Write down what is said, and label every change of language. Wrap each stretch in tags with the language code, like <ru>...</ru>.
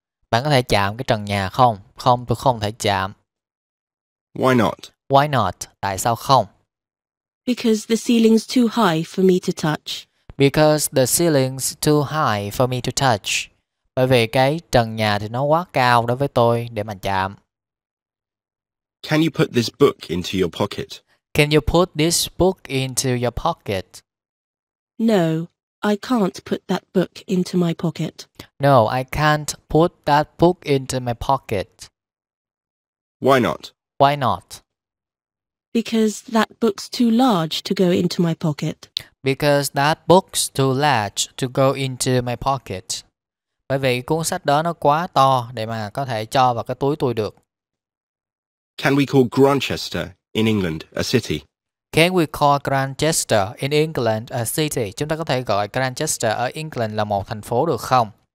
<vi>Bạn có thể chạm cái trần nhà không? Không, tôi không thể chạm.</vi> <en>Why not? Why not?</en> <vi>Tại sao không?</vi> <en>Because the ceiling's too high for me to touch. Because the ceiling's too high for me to touch.</en> <vi>Bởi vì cái trần nhà thì nó quá cao đối với tôi để mà chạm.</vi> <en>Can you put this book into your pocket? Can you put this book into your pocket? No, I can't put that book into my pocket. No, I can't put that book into my pocket. Why not? Why not? Because that book's too large to go into my pocket. Because that book's too large to go into my pocket.</en> <vi>Bởi vì cuốn sách đó nó quá to để mà có thể cho vào cái túi tôi được.</vi> <en>Can we call Grantchester in England a city? Can we call Grantchester in England a city?</en> <vi>Chúng ta có thể gọi Grantchester ở England là một thành phố được không?</vi>